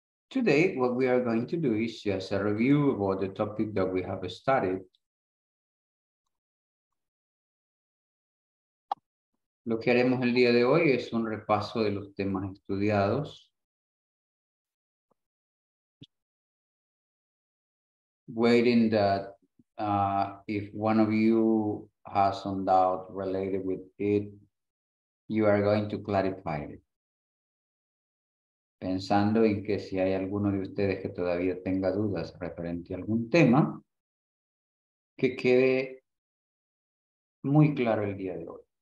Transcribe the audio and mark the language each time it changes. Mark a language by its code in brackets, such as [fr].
[en] Today, what we are going to do is just a review about the topic that we have studied. [es] Lo que haremos el día de hoy es un repaso de los temas estudiados. [en] Waiting that if one of you has some doubt related with it, you are going to clarify it. [es] Pensando en que si hay alguno de ustedes que todavía tenga dudas referente a algún tema, que quede muy claro el día de hoy.